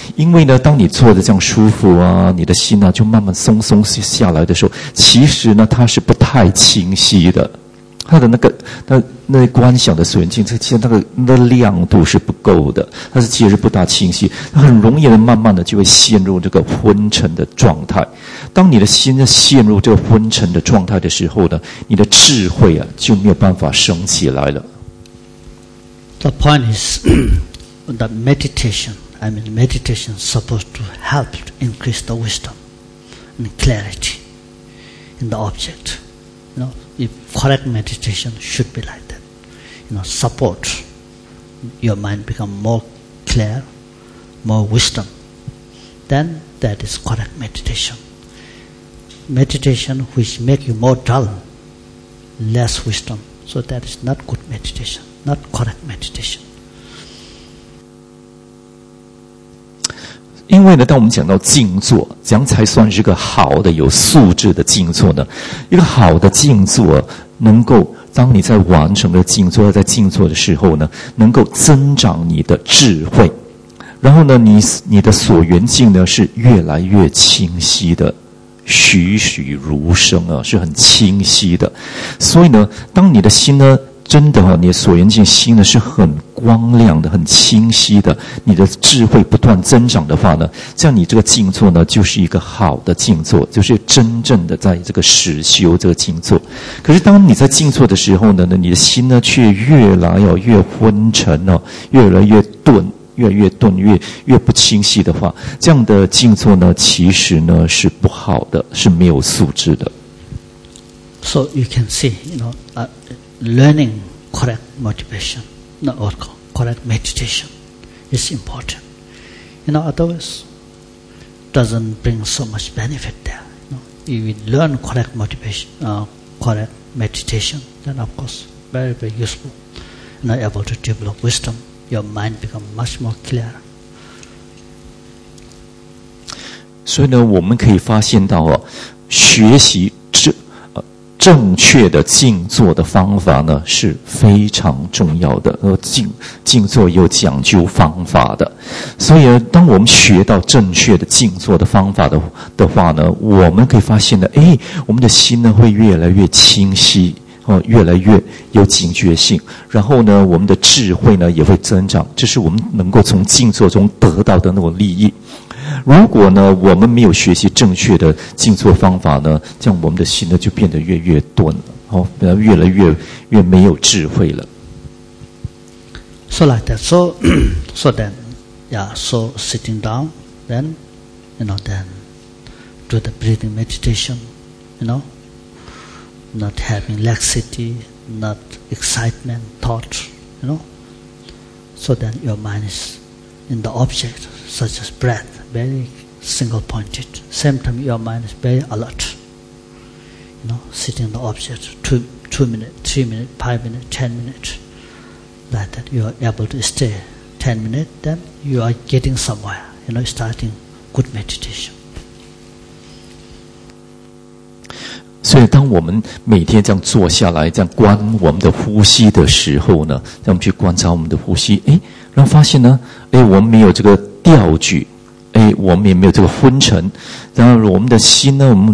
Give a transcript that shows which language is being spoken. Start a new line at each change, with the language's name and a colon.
Chinese: 因为呢，当你坐得这样舒服啊，你的心呢、啊、就慢慢松松下来的时候，其实呢它是不太清晰的，它的那观想的所缘境，其实那个亮度是不够的，它是其实不大清晰，它很容易的慢慢的就会陷入这个昏沉的状态。当你的心陷入这个昏沉的状态的时候呢，你的智慧啊就没有办法升起来了。
English: The point is that meditation is supposed to help to increase the wisdom and clarity in the object. You know, if correct meditation should be like that. You know, support your mind become more clear, more wisdom. Then that is correct meditation. Meditation which make you more dull, less wisdom. So that is not good meditation, not correct meditation.
Chinese: 因为呢，当我们讲到静坐，怎样才算是一个好的、有素质的静坐呢？一个好的静坐，能够当你在完成了静坐，在静坐的时候呢，能够增长你的智慧。然后呢，你的所缘境呢是越来越清晰的，栩栩如生啊，是很清晰的。所以呢，当你的心呢，真的哈，你的所缘境心呢是很光亮的，很清晰的，你的智慧不断增长的话呢，这样你这个静坐呢就是一个好的静坐，就是真正的在这个实修这个静坐。可是当你在静坐的时候呢，你的心呢却越来越昏沉哦，越来越钝。越不清晰的话，这样的静坐呢，其实呢是不好的，是没有素质的。
English: So you can see, you know, learning correct motivation, not correct meditation, is important. You know, otherwise, doesn't bring so much benefit there. You know, if we learn correct motivation, correct meditation, then of course, very very useful, and are able to develop wisdom. Your mind become much more clear.
Chinese: 所以呢，我们可以发现到哦，学习正确的静坐的方法呢是非常重要的。静坐有讲究方法的，所以当我们学到正确的静坐的方法的话呢，我们可以发现呢，哎，我们的心呢会越来越清晰。越来越有警觉性，然后呢，我们的智慧呢也会增长，这是我们能够从静坐中得到的那种利益。如果呢，我们没有学习正确的静坐方法呢，这样我们的心呢就变得越钝了，哦，越来越没有智慧了。
English: So like that, so then, yeah, so sitting down, then, you know, then do the breathing meditation, you know. Not having laxity, not excitement, thought, you know. So then your mind is in the object, such as breath, very single-pointed. Same time your mind is very alert, you know, sitting in the object, two minutes, 3 minutes, 5 minutes, 10 minutes. Like that you are able to stay 10 minutes, then you are getting somewhere, you know, starting good meditation.
Chinese: 所以当我们每天这样坐下来，这样观我们的呼吸的时候呢，让我们去观察我们的呼吸，诶，然后发现呢，诶，我们没有这个吊举，诶，我们也没有这个昏沉，然后我们的心呢，